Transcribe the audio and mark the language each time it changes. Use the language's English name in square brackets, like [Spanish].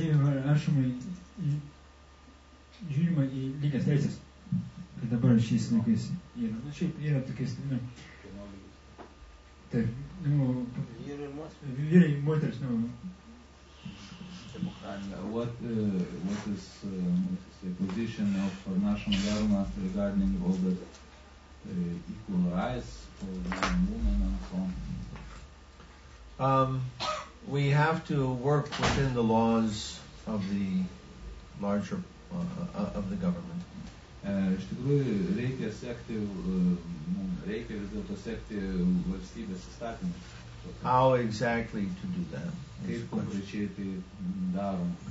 [Lithuanian] Žiūrima į lygias teisės, kad dabar šiais laikais yra. Na, šiaip yra tokiais, nu, taip, nu, vyrai, moteris, nu. [English] What is the position of national government regarding all the equal rights for women and so on? We have to work within the laws of the larger of the government. [Lithuanian] Iš tikrųjų reikia sekti, reikia vis dėlto sekti valstybės įstatymus. [English] How exactly to do that? [Lithuanian] Kaip konkrečiai tai daro?